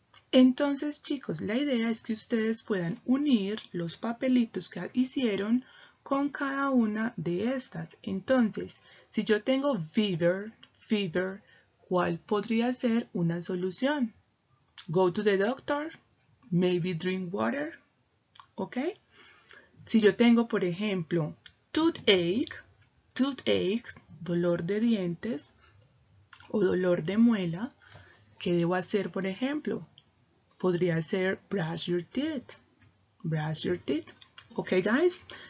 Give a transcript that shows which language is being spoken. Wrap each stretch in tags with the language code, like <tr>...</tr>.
<es>Entonces, chicos, la idea es que ustedes puedan unir los papelitos que hicieron con cada una de estas. Entonces, si yo tengo fever, ¿cuál podría ser una solución?</es> <en>Go to the doctor, maybe drink water, ¿ok?</en> <es>Si yo tengo, por ejemplo, toothache, dolor de dientes o dolor de muela, ¿qué debo hacer, por ejemplo? Podría ser</es> <en>brush your teeth,</en> <es>¿ok, guys?</es>